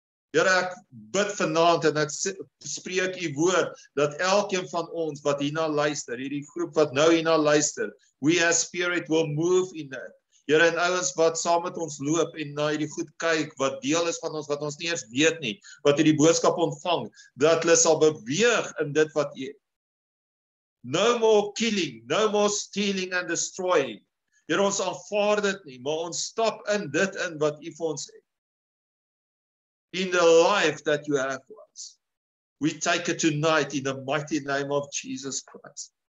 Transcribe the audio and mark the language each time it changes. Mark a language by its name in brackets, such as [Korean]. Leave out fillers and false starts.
[Afrikaans] Here ek bid vanaand en ek spreek die woord dat elkeen van ons wat hierna luister, hierdie groep wat nou hierna luister, we as spirit will move in that. Here en ouens wat saam met ons loop en na hierdie goed kyk wat deel is van ons wat ons nie eers weet nie, wat hierdie boodskap ontvang, dat hulle sal beweeg in dit wat jy. [English] No more killing, no more stealing and destroying. [Afrikaans] Here ons aanvaar dit nie, maar ons stap in dit in wat jy vir ons het. [English] In the life that you have for us, we take it tonight in the mighty name of Jesus Christ.